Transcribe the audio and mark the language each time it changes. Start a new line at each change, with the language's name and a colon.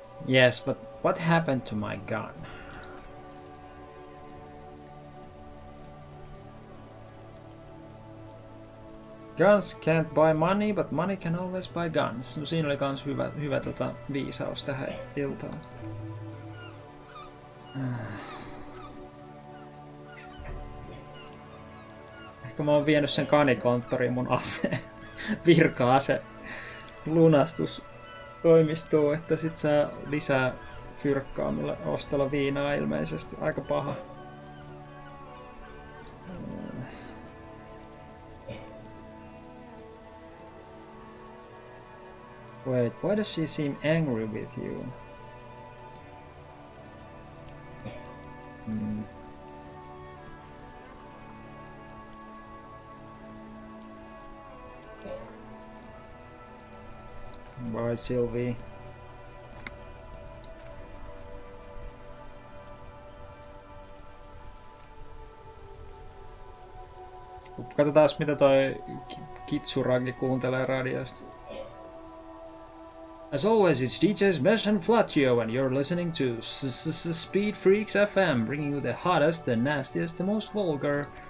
English: Yes, but what happened to my gun? Guns can't buy money, but money can always buy guns.
Finnish: No siinä oli kans hyvä tota viisaus tähän iltaan. Ehkä mä oon vienyt sen kanikonttoriin mun ase, virka-ase, lunastus. Toimistuu, että sit saa lisää fyrkkaa, millä ostella viinaa ilmeisesti. Aika paha.
English: Wait, why does she seem angry with you? Bye, Sylvie.
Finnish: Katsotaan, mitä toi Kitsuragi kuuntelee radiosta.
English: As always, it's DJs Mesh and Flatio, and you're listening to Speed Freaks FM, bringing you the hottest, the nastiest, the most vulgar.